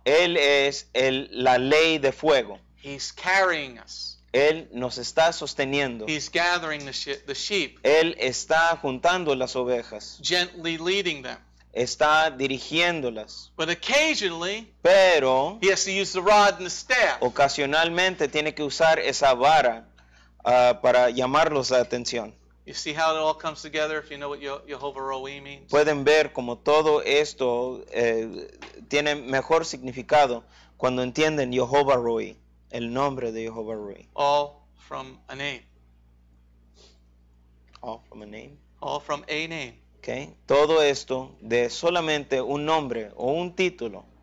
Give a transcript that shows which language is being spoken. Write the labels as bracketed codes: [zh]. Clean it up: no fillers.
[es] Él es la ley de fuego. [en] He's carrying us. [es] Él nos está sosteniendo. [en] He's gathering the sheep. [es] Él está juntando las ovejas. [en] Gently leading them. [es] Está dirigiéndolas. [en] But occasionally, [es] pero [en] he has to use the rod and the staff. [es] Ocasionalmente tiene que usar esa vara para llamarlos la atención. [en] You see how it all comes together if you know what Jehovah Roí means. [es] Pueden ver cómo todo esto tiene mejor significado cuando entienden Jehovah Roí, el nombre de Jehovah Roí. [en] All from a name. All from a name. All from a name. Okay. [es] Todo esto de solamente un nombre o un título.